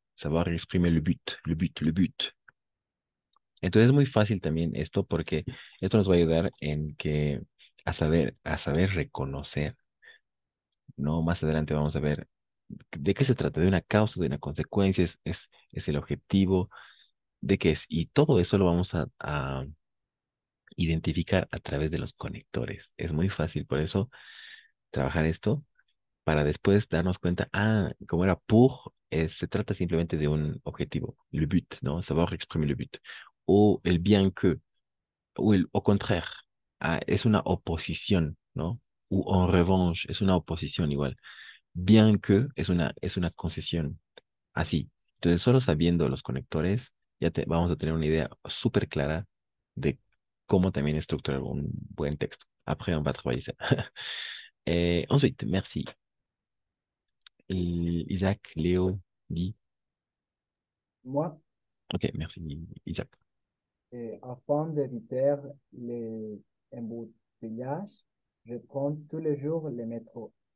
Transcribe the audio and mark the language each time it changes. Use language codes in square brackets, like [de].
[fr] Savoir exprimer le but, le but, le but. [es] Entonces, es muy fácil también esto, porque esto nos va a ayudar en que. A saber reconocer. No, más adelante vamos a ver de qué se trata, de una causa, de una consecuencia, es el objetivo, de qué es. Y todo eso lo vamos a identificar a través de los conectores. Es muy fácil por eso trabajar esto para después darnos cuenta, ah, como era pour, se trata simplemente de un objetivo, le but, ¿no? [fr] Savoir exprimer le but. [es] O el bien que, o el au contraire. Ah, es una oposición, ¿no? O en revanche, es una oposición igual. Bien que es una concesión. Así. Entonces, solo sabiendo los conectores, vamos a tener una idea súper clara de cómo también estructurar un buen texto. [fr] Après, on va travailler ça. ensuite, merci. Isaac, Léo, Guy. Moi, OK, merci, Guy. Isaac. et afin d'éviter les embouteillages, je prends tous les jours le métro.